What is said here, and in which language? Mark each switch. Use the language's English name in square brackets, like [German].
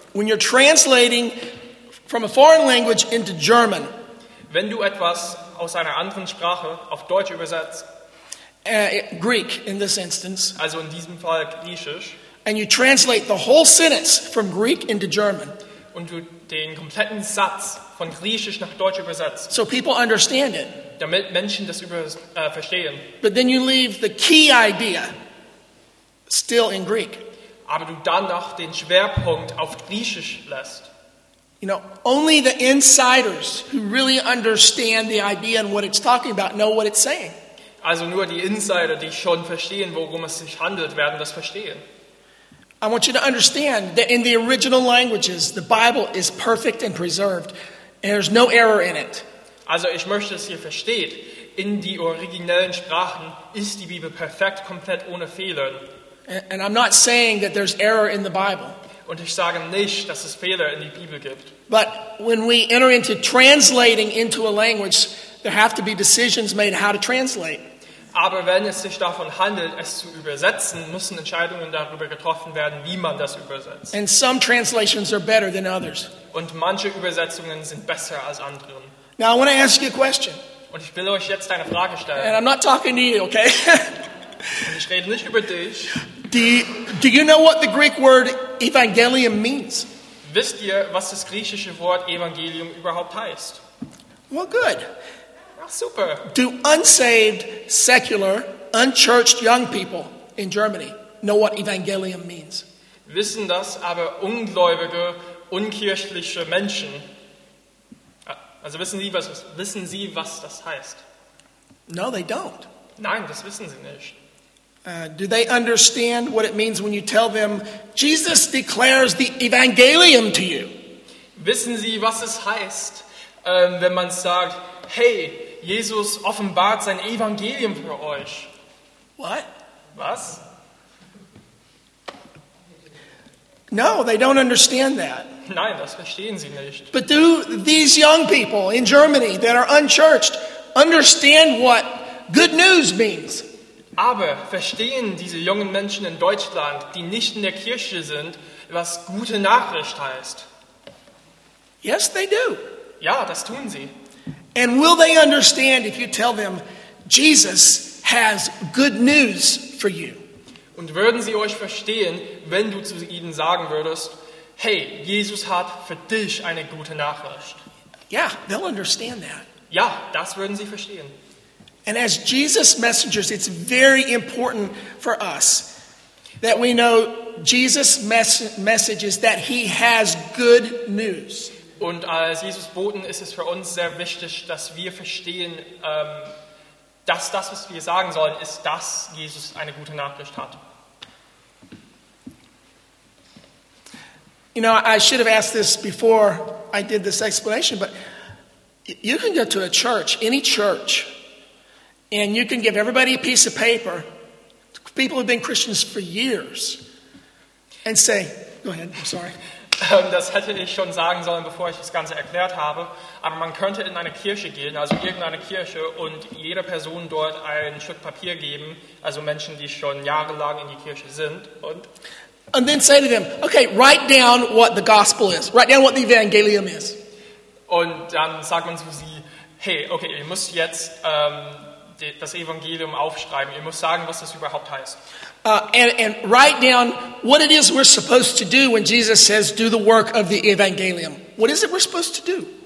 [English] When you're translating from a foreign language into German, [German] wenn du etwas aus einer anderen Sprache auf Deutsch übersetzt, [English] Greek in this instance, [German] also in diesem Fall Griechisch, [English] and you translate the whole sentence from Greek into German, [German] und du den kompletten Satz von Griechisch nach Deutsch übersetzt, [English] so people understand it, [German] damit Menschen das verstehen, [English] but then you leave the key idea still in Greek, [German] aber du dann noch den Schwerpunkt auf Griechisch lässt. [English] You know, only the insiders who really understand the idea and what it's talking about know what it's saying. [German] Also nur die Insider, die schon verstehen, worum es sich handelt, werden das verstehen. [English] I want you to understand that in the original languages, the Bible is perfect and preserved. And there's no error in it. [German] Also ich möchte, dass ihr versteht, in die originellen Sprachen ist die Bibel perfekt, komplett ohne Fehler. [English] And I'm not saying that there's error in the Bible. [German] Und ich sage nicht, dass es Fehler in die Bibel gibt. [English] But when we enter into translating into a language, there have to be decisions made how to translate. [German] Aber wenn es sich davon handelt, es zu übersetzen, müssen Entscheidungen darüber getroffen werden, wie man das übersetzt. [English] And some translations are better than others. [German] Und manche Übersetzungen sind besser als andere. [English] Now I want to ask you a question. [German] Und ich will euch jetzt eine Frage stellen. [English] And I'm not talking to you, okay? [German] Und ich rede nicht über dich. [English] Do you know what the Greek word evangelium means? [German] Wisst ihr, was das griechische Wort evangelium überhaupt heißt? [English] Well, good. [German] Ach, super. [English] Do unsaved, secular, unchurched young people in Germany know what evangelium means? [German] Wissen das aber ungläubige, unkirchliche Menschen? Also wissen Sie, was das heißt? [English] No, they don't. [German] Nein, das wissen sie nicht. [English] Do they understand what it means when you tell them Jesus declares the evangelium to you? [German] Wissen Sie, was es heißt, wenn man sagt, hey, Jesus offenbart sein Evangelium für euch? [English] What? [German] Was? [English] No, they don't understand that. [German] Nein, das verstehen sie nicht. [English] But do these young people in Germany that are unchurched understand what good news means? [German] Aber verstehen diese jungen Menschen in Deutschland, die nicht in der Kirche sind, was gute Nachricht heißt? [English] Yes, they do. [German] Ja, das tun sie. [English] And will they understand if you tell them Jesus has good news for you? [German] Und würden sie euch verstehen, wenn du zu ihnen sagen würdest, hey, Jesus hat für dich eine gute Nachricht? [English] Yeah, they'll understand that. [German] Ja, das würden sie verstehen. [English] And as Jesus messengers, it's very important for us that we know Jesus message is that he has good news. [German] Und als Jesus Boten ist es für uns sehr wichtig, dass wir verstehen, dass das, was wir sagen sollen, ist, dass Jesus eine gute Nachricht hat. [English] You know, I should have asked this before I did this explanation, but you can go to a church, any church, and you can give everybody a piece of paper People have been Christians for years and say, go ahead, I'm sorry. [German] Das hätte ich schon sagen sollen, bevor ich das Ganze erklärt habe. Aber man könnte in eine Kirche gehen, also irgendeine Kirche, und jeder Person dort ein Stück Papier geben, also Menschen, die schon jahrelang in die Kirche sind. [English] And then say to them, okay, write down what the gospel is. Write down what the evangelium is. [German] Und dann sagt man zu sie, hey, okay, ihr müsst jetzt das Evangelium aufschreiben. Ihr müsst sagen, was das überhaupt heißt. [English] And write down what it is we're supposed to do when Jesus says, do the work of the evangelium. What is it we're supposed to do?